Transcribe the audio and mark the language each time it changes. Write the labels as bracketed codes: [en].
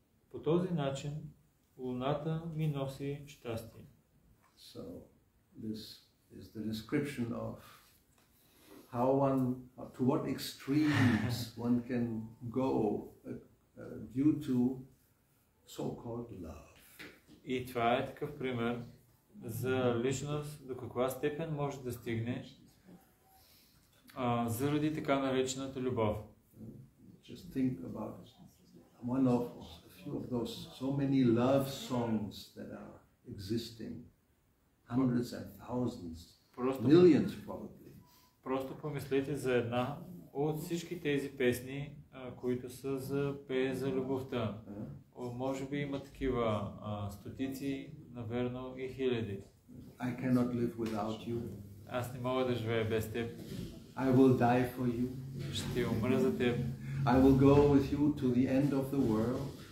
[bg] По този начин луната ми носи щастие. [en] So this is the description of how one, to what extremes one can go due to so-called love. [bg] И това е такъв пример за личност, до каква степен може да стигне заради така наречената любов. [en] Just think about one of a few of those so many love songs that are existing, hundreds and thousands, millions probably. [bg] Просто помислете за една от всички тези песни, които са за пее за любовта. Може би има такива стотици, наверно и хиляди. [en] I cannot live without you. [bg] Аз не мога да живея без теб. [en] I will die for you. [bg] Ще умра за теб. [en] I will go with you to the end of the world.